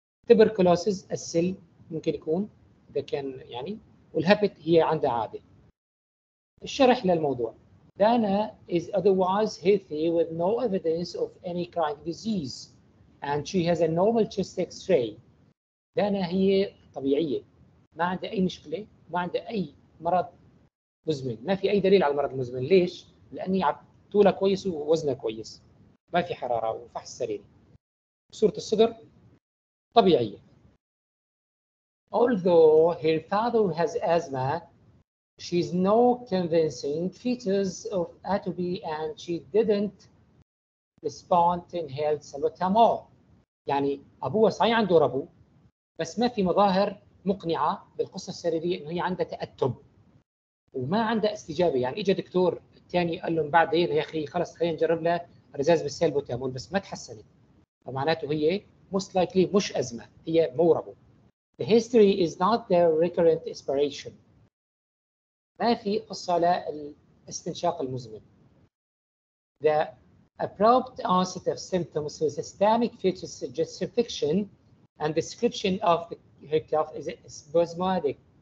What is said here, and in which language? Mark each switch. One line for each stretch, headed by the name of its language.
Arabic: tuberculosis, السل ممكن يكون إذا كان يعني, والهبت هي عندها عادة. الشرح للموضوع,
English: Dana is otherwise healthy with no evidence of any chronic disease and she has a normal chest x-ray.
Arabic: Dana هي طبيعية ما عندها أي مشكلة, ما عندها أي مرض مزمن, ما في أي دليل على المرض المزمن. ليش؟ لأني طولها كويس ووزنها كويس, ما في حرارة وفحص سريري, صورة الصدر طبيعية.
English: Although her father has asthma, she's no convincing features of atopy and she didn't respond to inhaled salbutamol.
Arabic: يعني أبوه صحيح عنده ربو بس ما في مظاهر مقنعة بالقصة السريرية إنه هي عندها تأتب وما عندها استجابة. يعني إجا دكتور تاني قال لهم بعدين يا أخي خلاص خلينا نجرب له رزاز بالسالبوتامول بس ما تحسنت, فمعناته هي
English: most likely
Arabic: مش أزمة, هي مو ربو.
English: The history is not the recurrent aspiration,
Arabic: ما في قصة للاستنشاق المزمن.
English: The abrupt onset of symptoms with systemic features suggests infection and description of the cough is spasmodic.